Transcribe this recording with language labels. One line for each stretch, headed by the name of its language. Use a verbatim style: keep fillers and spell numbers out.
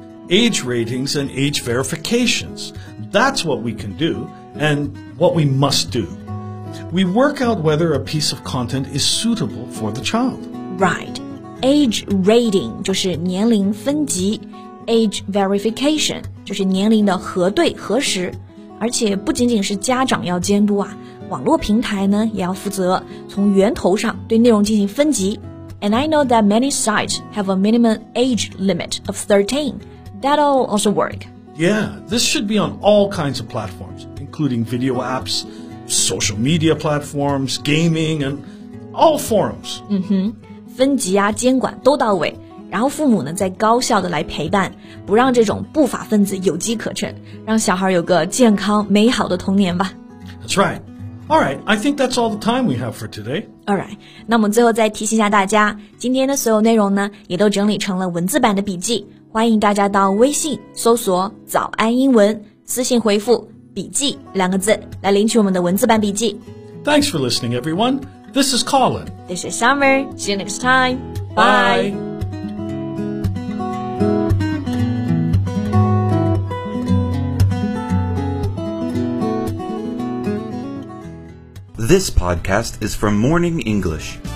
English: Age ratings and age verifications. That's what we can do and what we must do. We work out whether a piece of content is suitable for the child. Right.
Chinese: Age rating 就是年龄分级 ,age verification 就是年龄的核对核实。而且不仅仅是家长要监督啊，网络平台呢也要负责从源头上对内容进行分级。
English: And I know that many sites have a minimum age limit of thirteen. That'll also work. Yeah, this should be on all kinds of platforms, including video apps,social media platforms, gaming, and all forums.
Chinese: 嗯哼，分级啊，监管都到位，然后父母呢再高效的来陪伴，不让这种不法分子有机可乘，让小孩有个健康美好的童年吧。
English: That's right. All right, I think that's all the time we have for today. All right.
Chinese: 那我们最后再提醒一下大家，今天的所有内容呢也都整理成了文字版的笔记，欢迎大家到微信搜索早安英文，私信回复笔记两个字来领取我们的文字版笔记。
English: Thanks for listening, everyone. This is Colin. This is Summer. See you next time. Bye. Bye. This podcast is from Morning English.